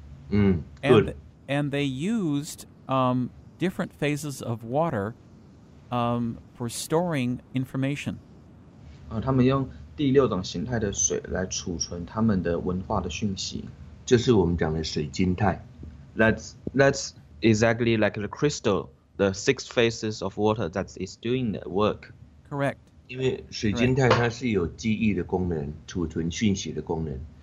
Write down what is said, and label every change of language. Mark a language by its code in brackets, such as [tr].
[en] Good. And they used different phases of water. For storing information. [zh] 他们用第六种形态的水来储存他们的文化的讯息，就是我们讲的水晶态。 [en] That's exactly like the crystal, the six phases of water that is doing the work. Correct. [zh] 因为水晶态它是有记忆的功能，储存讯息的功能。